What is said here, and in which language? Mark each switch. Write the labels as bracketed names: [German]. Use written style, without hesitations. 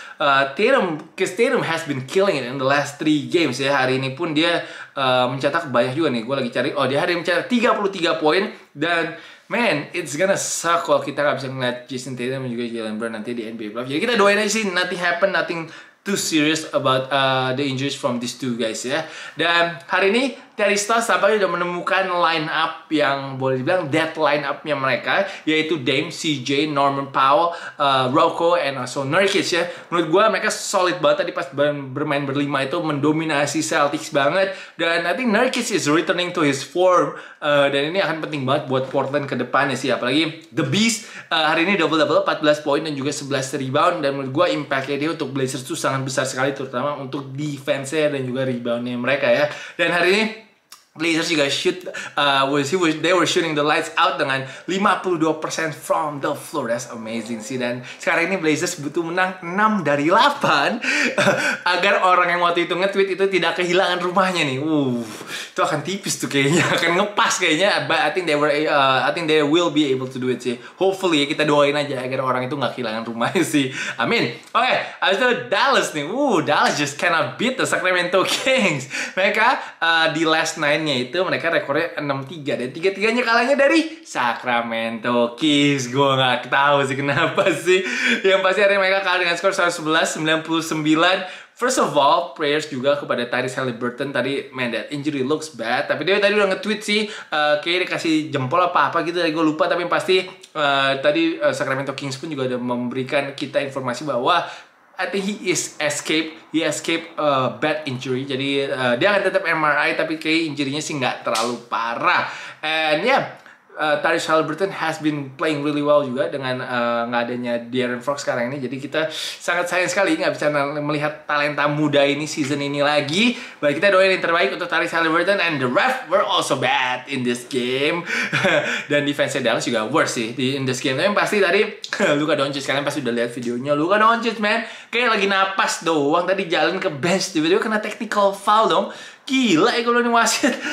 [English] Tatum has been killing it in the last 3 games [Indonesian] ya. Hari ini pun dia mencetak banyak juga nih. Gue lagi cari, dia hari ini mencetak 33 poin. Dan man, [English] it's gonna suck [Indonesian] kalau kita gak bisa ngeliat Jason Tatum dan juga Jalen Brown nanti di NBA playoff. Jadi kita doain aja sih, [English] nothing happen, nothing too serious about the injuries from these two guys [Indonesian] ya. Dan hari ini Terry Stotts tampaknya udah menemukan line up yang boleh dibilang dead line up-nya mereka, yaitu Dame, CJ, Norman Powell, Rocco, and also Nurkić ya. Menurut gue mereka solid banget tadi pas bermain berlima itu mendominasi Celtics banget. [English] Dan I think Nurkić is returning to his form. [Indonesian] Dan ini akan penting banget buat Portland ke depannya sih. Apalagi The Beast hari ini double-double 14 poin dan juga 11 rebound. Dan menurut gue impact-nya dia untuk Blazers itu sangat besar sekali, terutama untuk defense-nya dan juga rebound-nya mereka ya. Dan hari ini Blazers juga [English] shoot, they were shooting the lights out [Indonesian] dengan [English] 52% from the floor. That's amazing sih. [Indonesian] Dan sekarang ini Blazers butuh menang 6 dari 8 agar orang yang waktu itu nge-tweet itu tidak kehilangan rumahnya nih. Itu akan tipis tuh kayaknya, akan ngepas kayaknya. [English] But I think they will be able to do it [Indonesian] sih. [English] Hopefully [Indonesian] kita doain aja agar orang itu gak kehilangan rumahnya sih. Amin. Oke, abis itu Dallas nih. Dallas [English] just cannot beat the [Indonesian] Sacramento Kings. Mereka di [English] last night [Indonesian] itu mereka rekornya 6-3 dan 3-3-nya kalahnya dari Sacramento Kings. Gue gak tahu sih kenapa sih. Yang pasti hari mereka kalah dengan skor 111-99. [English] First of all, [Indonesian] prayers juga kepada Tyrese Halliburton. Tadi, man, [English] that injury looks bad. [Indonesian] Tapi dia tadi udah nge-tweet sih, kayaknya dia kasih jempol apa-apa gitu. Tadi gue lupa, tapi pasti Tadi Sacramento Kings pun juga ada memberikan kita informasi bahwa [English] I think he escaped a bad injury. [Indonesian] Jadi dia akan tetap MRI, tapi kayak injury-nya sih nggak terlalu parah. [English] And yeah, Tyrese Haliburton has been playing really well [Indonesian] juga dengan nggak adanya [English] De'Aaron Fox [Indonesian] sekarang ini. Jadi kita sangat sayang sekali nggak bisa melihat talenta muda ini season ini lagi. Baik, kita doain yang terbaik untuk Tyrese Haliburton. [English] And the ref were also bad in this game. [Indonesian] Dan defense-nya Dallas juga worse sih [English] in this game. [Indonesian] Tapi pasti tadi Luka Doncic, kalian pasti udah lihat videonya. Luka Doncic, man, kayak lagi napas doang tadi jalan ke bench. Tiba-tiba kena technical foul dong. Gila ya kalau ini wasit.